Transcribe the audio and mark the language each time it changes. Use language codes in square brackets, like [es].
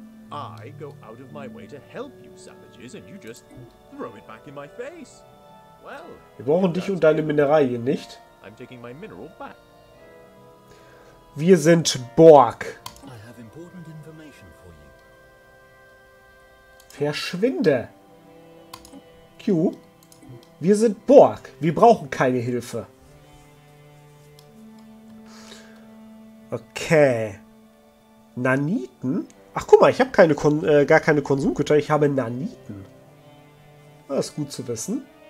[en] I go out of my way to help you savages and you just throw it back in my face. [de] Well, wir brauchen dich und deine Mineralien nicht. [en] I'm taking my mineral back. [de] Wir sind Borg. [en] I have important information for you. [de] Verschwinde. Q. Wir sind Borg. Wir brauchen keine Hilfe. Okay. Naniten? Ach, guck mal, ich habe gar keine Konsumgüter. Ich habe Naniten. Das ist gut zu wissen.